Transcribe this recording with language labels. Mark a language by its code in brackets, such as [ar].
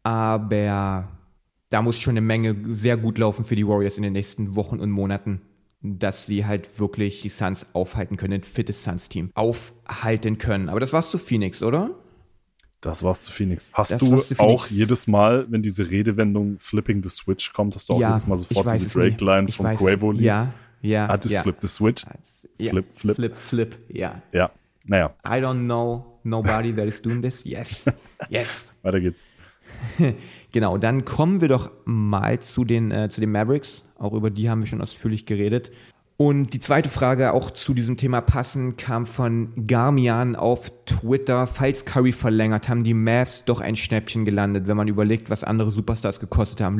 [de] Aber da muss schon eine Menge sehr gut laufen für die Warriors in den nächsten Wochen und Monaten, dass sie halt wirklich die Suns aufhalten können, ein fittes Suns-Team aufhalten können. Aber das war's zu Phoenix, oder? Das war's zu Phoenix. Auch jedes Mal, wenn diese Redewendung Flipping the Switch kommt, hast du auch jedes Mal sofort diese Drake-Line von Quavo liest? Ja, ja. Hat es Flip the Switch? Flip, ja. Ja, naja. [en] I don't know nobody that is doing this. Yes. [de] Weiter geht's. Genau, dann kommen wir doch mal zu den Mavericks. Auch über die haben wir schon ausführlich geredet. Und die zweite Frage, auch zu diesem Thema passend, kam von Garmian auf Twitter. Falls Curry verlängert, haben die Mavs doch ein Schnäppchen gelandet, wenn man überlegt, was andere Superstars gekostet haben.